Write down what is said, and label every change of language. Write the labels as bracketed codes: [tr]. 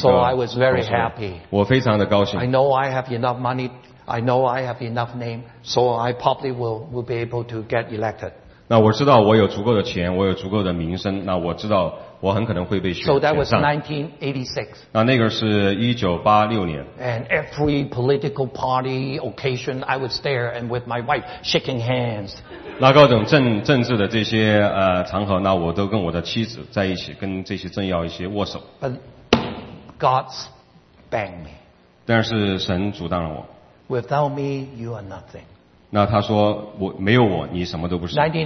[en] So I was very happy。 [zh] 我非常的高兴。 [en] I know I have enough money. I know I have enough name. So I probably will be able to get elected。 [zh] 那我知道我有足够的钱，我有足够的名声，那我知道我很可能会被选上。 [en] So that was 1986. [zh] 那个是1986年。 [en] And every political party occasion, I was there and with my wife shaking hands. [zh] 那各种政治的这些场合，那我都跟我的妻子在一起，跟这些政要一起握手。 [en] But God banged me. [zh] 但是神阻挡了我。 [en] Without me, you are nothing. [zh] 那他说我没有我你什么都不是。